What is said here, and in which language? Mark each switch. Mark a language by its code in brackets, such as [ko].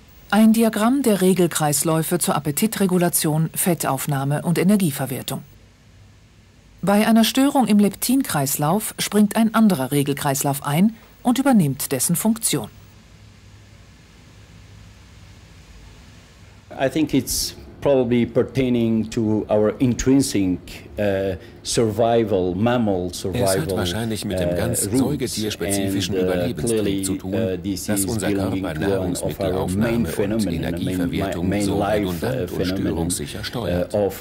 [de] Ein Diagramm der Regelkreisläufe zur Appetitregulation, Fettaufnahme und Energieverwertung. Bei einer Störung im Leptinkreislauf springt ein anderer Regelkreislauf ein und übernimmt dessen Funktion. [en] I think it's probably pertaining to our intrinsic survival, mammal survival. [de] Es hat wahrscheinlich mit dem ganz säugetierspezifischen Überlebenstrieb zu tun, dass unser Körper bei Nahrungsmittelaufnahme und Energieverwertung so redundant und störungssicher steuert.